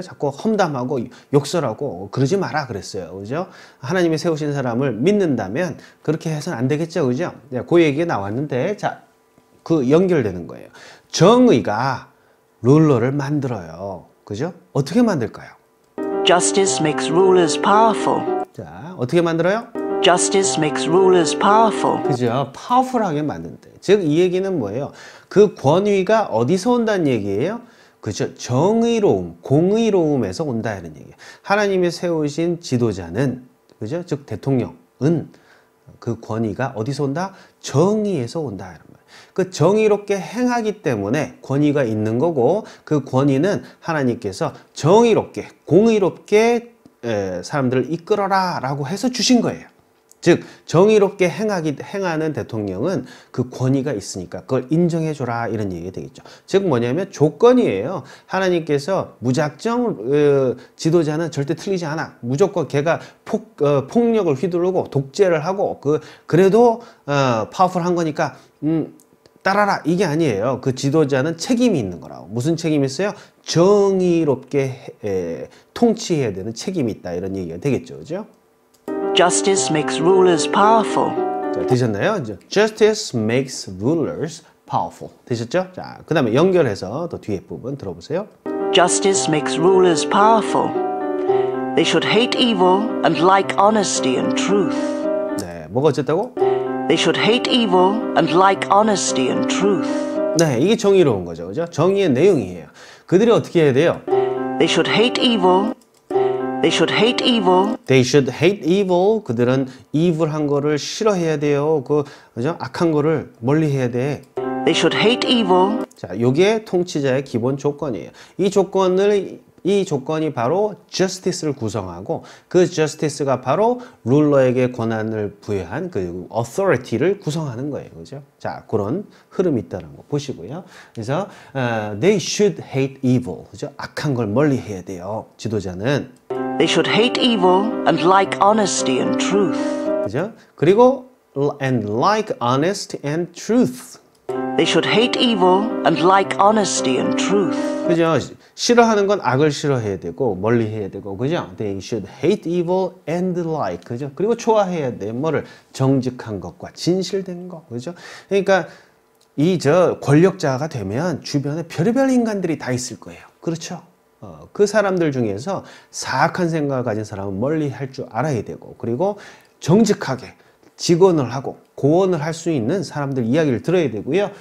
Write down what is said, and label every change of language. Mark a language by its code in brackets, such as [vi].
[ko] 자꾸 험담하고 욕설하고 그러지 마라 그랬어요. 그죠? 하나님이 세우신 사람을 믿는다면 그렇게 해서는 안 되겠죠. 그죠? 네, 그 얘기가 나왔는데, 자, 그 연결되는 거예요. 정의가 룰러를 만들어요. 그죠? 어떻게 만들까요? [en] Justice makes rulers powerful. [ko] 자, 어떻게 만들어요? [en] Justice makes rulers powerful. [ko] 그죠? 파워풀하게 만든대. 즉, 이 얘기는 뭐예요? 그 권위가 어디서 온다는 얘기예요? 그죠? 정의로움, 공의로움에서 온다 이런 얘기예요. 하나님이 세우신 지도자는, 그죠? 즉, 대통령은 그 권위가 어디서 온다? 정의에서 온다 이런 말이에요. 그 정의롭게 행하기 때문에 권위가 있는 거고, 그 권위는 하나님께서 정의롭게, 공의롭게 사람들을 이끌어라 라고 해서 주신 거예요. 즉, 정의롭게 행하는 대통령은 그 권위가 있으니까 그걸 인정해 줘라, 이런 얘기가 되겠죠. 즉, 뭐냐면 조건이에요. 하나님께서 무작정 지도자는 절대 틀리지 않아. 무조건 걔가 폭력을 휘두르고 독재를 하고, 그래도 파워풀한 거니까, 따라라. 이게 아니에요. 그 지도자는 책임이 있는 거라고. 무슨 책임이 있어요? 정의롭게 통치해야 되는 책임이 있다. 이런 얘기가 되겠죠. 그죠? [en] Justice makes rulers powerful. [ko] 자, 되셨나요? [en] Justice makes rulers powerful. [ko] 되셨죠? 자, 그 다음에 연결해서 또 뒤에 부분 들어보세요. [en] Justice makes rulers powerful. They should hate evil and like honesty and truth. [ko] 네, 뭐가 어쨌다고? [en] They should hate evil and like honesty and truth. [ko] 네, 이게 정의로운 거죠. 그죠? 정의의 내용이에요. 그들이 어떻게 해야 돼요? [en] They should hate evil. They should hate evil. They should hate evil. [ko] 그들은 evil한 거를 싫어해야 돼요. 그죠? 악한 거를 멀리해야 돼. [en] They should hate evil. [ko] 자, 요게 통치자의 기본 조건이에요. 이 조건이 바로 justice를 구성하고 그 justice가 바로 룰러에게 권한을 부여한 그 authority를 구성하는 거예요. 그죠? 자, 그런 흐름이 있다는 거 보시고요. [en] 그래서 they should hate evil. [ko] 그죠? 악한 걸 멀리 해야 돼요. 지도자는. [en] They should hate evil and like honesty and truth. [ko] 그죠? [en] 그리고 and like honest and truth. They should hate evil and like honesty and truth. [ko] 그죠? 싫어하는 건 악을 싫어해야 되고 멀리 해야 되고 그죠? [en] They should hate evil and like 그죠? [ko] 그리고 좋아해야 돼 뭐를 정직한 것과 진실된 거 그죠? 그러니까 이저 권력자가 되면 주변에 별의별 인간들이 다 있을 거예요. 그렇죠? 그 사람들 중에서 사악한 생각을 가진 사람은 멀리 할줄 알아야 되고 그리고 정직하게 직언을 하고 고언을 할수 있는 사람들 이야기를 들어야 되고요.